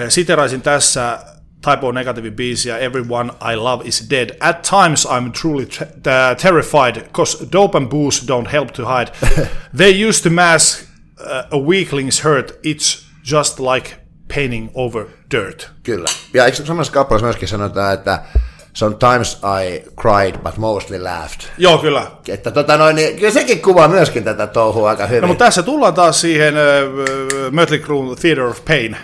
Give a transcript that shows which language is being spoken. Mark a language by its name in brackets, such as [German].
[Finnish] siteraisin tässä Type O Negative -biisiä Everyone I Love Is Dead. [English] At times I'm truly terrified, because dope and booze don't help to hide. They used to mask a weakling's hurt, it's just like painting over dirt. [Finnish] Kyllä. Ja eikö samassa kappalassa myöskin sanotaan, että [English] sometimes I cried, but mostly laughed. [Finnish] Joo, kyllä. Että niin kyllä sekin kuvaa myöskin tätä touhua aika hyvin. No, mutta tässä tullaan taas siihen Mötley Crüen Theater of Pain.